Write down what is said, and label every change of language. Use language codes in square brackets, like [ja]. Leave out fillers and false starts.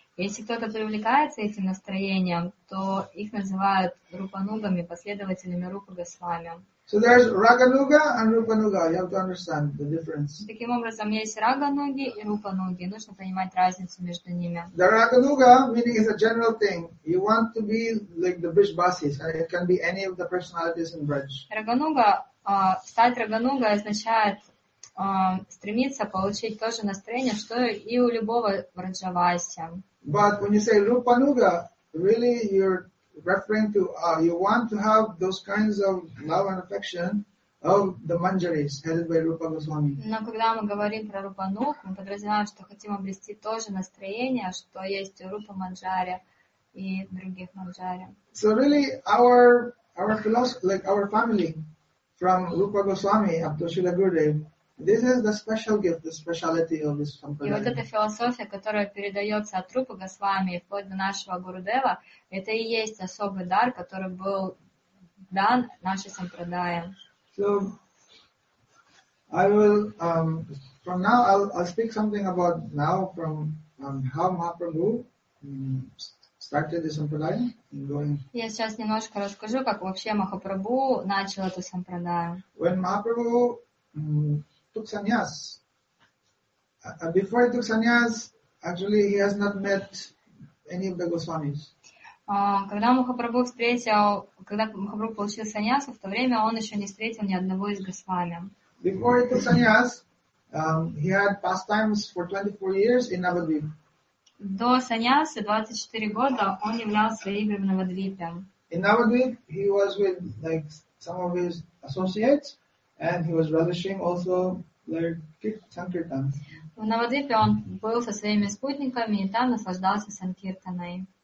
[ru] Если кто-то привлекается этим настроением, то их называют рупанугами, последователями Рупы Госвами. [en] So there's Рагануга and Рупануга. You have to understand the difference. [ru] Таким образом, есть Рагануги и Рупануги. Нужно понимать разницу между ними. [en] The Рагануга meaning is a general thing. You want to be like the Brijbasis. It can be any of the personalities in Braj. [ru] Рагануга, стать Рагануга означает стремиться получить то же настроение, что и у любого Браджаваси. [en] But when you say Rupanuga, really you're referring to you want to have those kinds of love and affection of the Manjaris headed by Rupa Goswami. [ru] Но когда мы говорим про Рупануг, мы подразумеваем, что хотим обрести то же настроение, что есть у Рупа Манджари и других Манджари. [en] So really our philosophy, like our family from Rupa Goswami up to Srila Gurudev, this is the special gift, the speciality of this sampradaya. [ru] И вот эта философия, которая передается от Рупы Госвами вплоть до нашего Гурудева, это и есть особый дар, который был дан нашей сампрадае. [en] So, I will from now I'll speak something about now from how Mahaprabhu started the sampradaya and going. [ru] Я сейчас немножко расскажу, как вообще Махапрабху начал эту сампрадаю. [en] When Mahaprabhu took sannyas, before he took sannyas, actually he has not met any of the Goswamis. [ru] Когда Махапрабху получил саньясу, в то время он еще не встретил ни одного из Госвами. [en] Before he took sannyas, he had pastimes for 24 years in Navadvip. [ru] До саньясы 24 года он являлся игрой в Навадвипе. [en] In Navadvip, he was with like some of his associates, and he was relishing also their sankirtan. [ru] В Навадвипе он был со своими спутниками и там наслаждался санкиртаной.